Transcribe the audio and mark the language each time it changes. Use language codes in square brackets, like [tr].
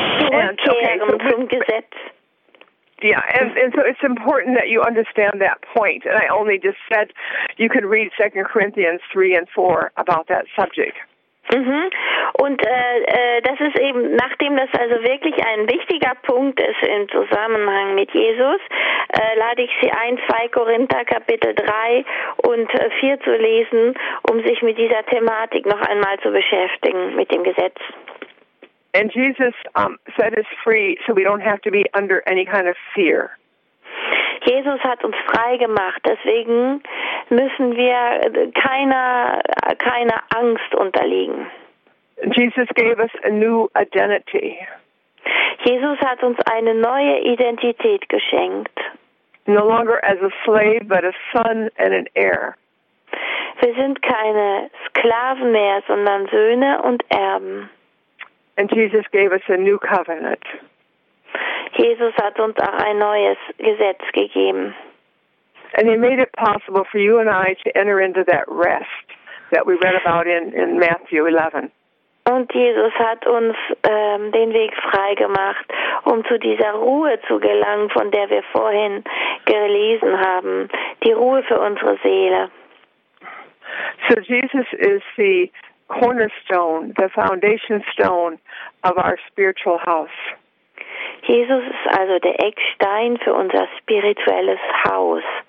[en] And so it's important that you understand that point. And I only just said you can read 2 Corinthians 3 and 4 about that subject. [de] Das ist eben, nachdem das also wirklich ein wichtiger Punkt ist im Zusammenhang mit Jesus, lade ich Sie ein, 2 Korinther Kapitel 3 und 4 zu lesen, um sich mit dieser Thematik noch einmal zu beschäftigen, mit dem Gesetz. [en] And Jesus set us free, so we don't have to be under any kind of fear. [de] Jesus hat uns frei gemacht, deswegen müssen wir keiner Angst unterliegen. [en] Jesus gave us a new identity. [de] Jesus hat uns eine neue Identität geschenkt. [en] No longer as a slave, but a son and an heir. [de] Wir sind keine Sklaven mehr, sondern Söhne und Erben. [en] And Jesus gave us a new covenant. [de] Jesus hat uns auch ein neues Gesetz gegeben. [en] And he made it possible for you and I to enter into that rest that we read about in Matthew 11. [de] Und Jesus hat uns den Weg frei gemacht, um zu dieser Ruhe zu gelangen, von der wir vorhin gelesen haben, die Ruhe für unsere Seele. [en] So Jesus is the cornerstone, the foundation stone of our spiritual house. [de] Jesus ist also der Eckstein für unser spirituelles Haus.